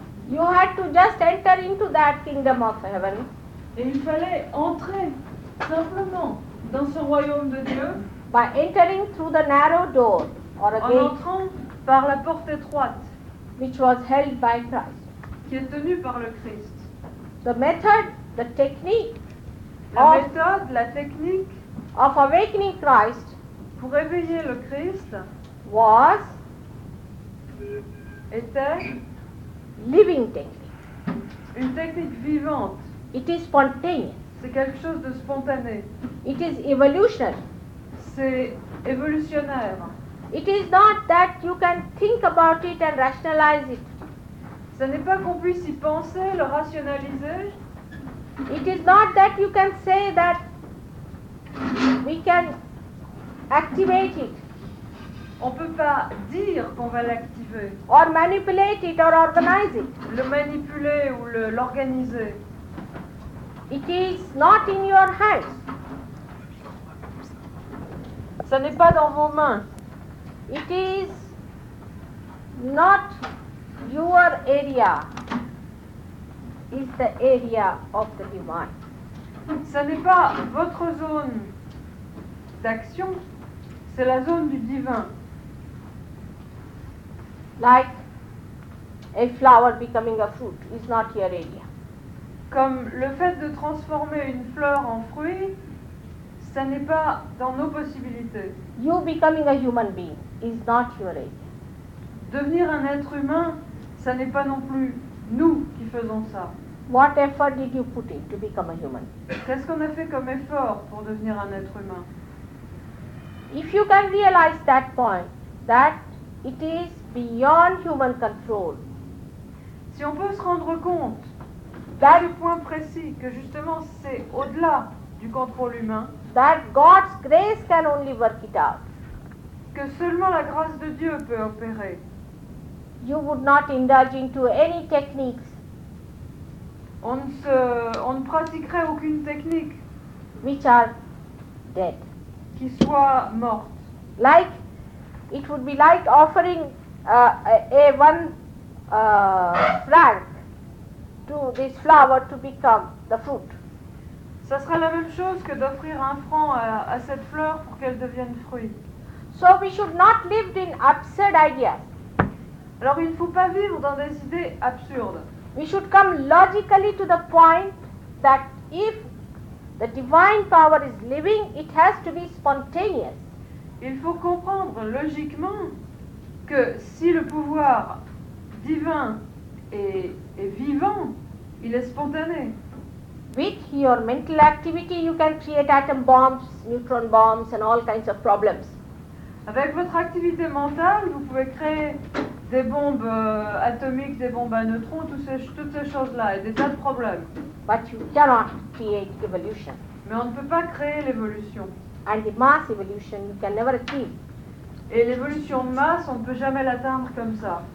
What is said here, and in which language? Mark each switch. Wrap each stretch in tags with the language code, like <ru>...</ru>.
<en>You had to just enter into that kingdom of heaven.</en> <fr>Et il fallait entrer simplement dans ce royaume de Dieu.</fr> <en>By entering through the narrow door or a gate,</en> <fr>en entrant par la porte étroite,</fr> <en>which was held by Christ,</en> <fr>qui est tenue par le Christ.</fr> <en>The method, the technique,</en> <fr>la méthode, la technique,</fr> <en>of awakening Christ,</en> <fr>pour réveiller le Christ,</fr> <en>was,</en> <fr>était,</fr> <en>living technique,</en> <fr>une technique vivante.</fr> <en>It is spontaneous.</en> <fr>C'est quelque chose de spontané.</fr> <en>It is evolution.</en> <fr>C'est évolutionnaire.</fr> <en>It is not that you can think about it and rationalize it.</en> <fr>Ce n'est pas qu'on puisse y penser, le rationaliser.</fr> <en>It is not that you can say that we can activate it.</en> <fr>On peut pas dire qu'on va l'activer.</fr> <en>Or manipulate it or organize it.</en> <fr>Le manipuler ou l'organiser.</fr> <en>It is not in your hands.</en> <fr>Ça n'est pas dans vos mains.</fr> <en>It is not your area. It's the area of the divine.</en> <fr>Ça n'est pas votre zone d'action. C'est la zone du divin.</fr> <en>Like a flower becoming a fruit. It's not your area.</en> <fr>Comme le fait de transformer une fleur en fruit. Ça n'est pas dans nos possibilités.</fr> <en>You becoming a human being is not your age.</en> <fr>Devenir un être humain, ça n'est pas non plus nous qui faisons ça.</fr> <en>What effort did you put in to become a human?</en> <fr>Qu'est-ce qu'on a fait comme effort pour devenir un être humain?</fr> <en>If you can realize that point, that it is beyond human control.</en> <fr>Si on peut se rendre compte dans le point précis que justement c'est au-delà du contrôle humain,</fr> <en>that God's grace can only work it out.</en> <fr>Que seulement la grâce de Dieu peut opérer.</fr> <en>You would not indulge into any techniques.</en> <fr>On ne pratiquerait aucune technique.</fr> <en>Which are dead.</en> <fr>Qui soit morte.</fr> <en>Like, it would be like offering a one franc to this flower to become the fruit.</en> <fr>Ça serait la même chose que d'offrir un franc à cette fleur pour qu'elle devienne fruit.</fr> <en>So we should not live in absurd ideas.</en> <fr>Alors il ne faut pas vivre dans des idées absurdes.</fr> <en>We should come logically to the point that if the divine power is living, it has to be spontaneous.</en> <fr>Il faut comprendre logiquement que si le pouvoir divin est vivant, il est spontané.</fr> <en>With your mental activity, you can create atom bombs, neutron bombs, and all kinds of problems.</en> <fr>Avec votre activité mentale, vous pouvez créer des bombes atomiques, des bombes à neutrons, toutes ces choses-là, et des tas de problèmes.</fr> <en>But you cannot create evolution.</en> <fr>Mais on ne peut pas créer l'évolution.</fr> <en>And the mass evolution, you can never achieve.</en> <fr>Et l'évolution de masse, on ne peut jamais l'atteindre comme ça.</fr>